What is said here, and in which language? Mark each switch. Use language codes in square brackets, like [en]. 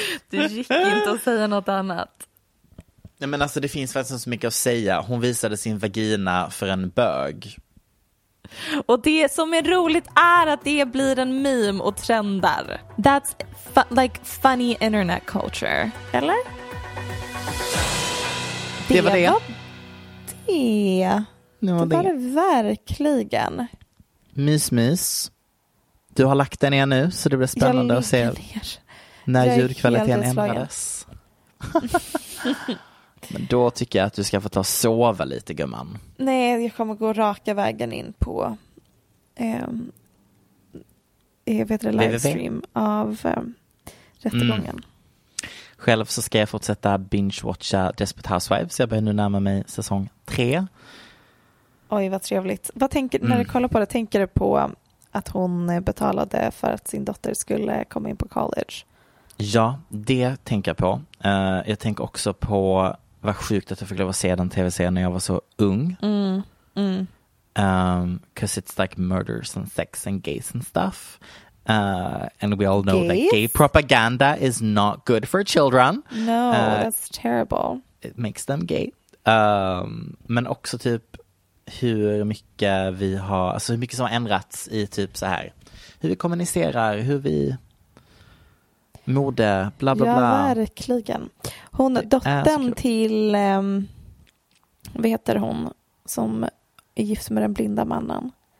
[sv] Det gick inte att säga något annat. Nej, men alltså det finns faktiskt inte så mycket att säga. Hon visade sin vagina för en bög. Och det som är roligt är att det blir en meme och trendar. [en] That's like funny internet culture. [sv] Eller? Det var det. Det var det. Nu var det. Var det verkligen. Mys, mys. Du har lagt den ner nu så det blir spännande att se när ljudkvaliteten ändrades. Men då tycker jag att du ska få ta och sova lite, gumman. Nej, jag kommer gå raka vägen in på livestream av rättegången. Själv så ska jag fortsätta binge-watcha Desperate Housewives. Jag börjar nu närma mig säsong 3. Oj, vad trevligt. Vad tänker, när du kollar på det, tänker du på att hon betalade för att sin dotter skulle komma in på college? Ja, det tänker jag på. Jag tänker också på, vad sjukt att jag fick lov att se den tv-serien när jag var så ung. [en] Because it's like murders and sex and gays and stuff. And we all know that gay propaganda is not good for children. No, that's terrible. It makes them gay. [sv] Men också typ hur mycket vi har, alltså hur mycket som har ändrats i typ så här. Hur vi kommunicerar, hur vi mode, bla bla ja, bla. Ja, verkligen. Hon, dottern till vad heter hon som är gift med den blinda mannen?